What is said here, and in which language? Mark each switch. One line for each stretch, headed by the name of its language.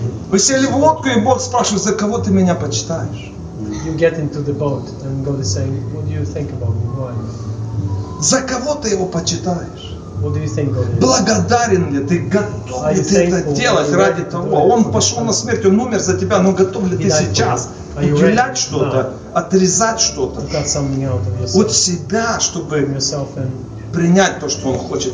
Russian: Вы сели в лодку, и Бог спрашивает, за кого ты меня почитаешь?
English: You get into the boat, and God is saying, what do you think about me? Why?
Russian: За кого ты его почитаешь?
English: What do you think of it?
Russian: Благодарен ли ты, готов ли ты это делать ради того? Он пошел на смерть, он умер за тебя, но готов ли ты сейчас уделять что-то, отрезать что-то от себя, чтобы принять то, что он хочет?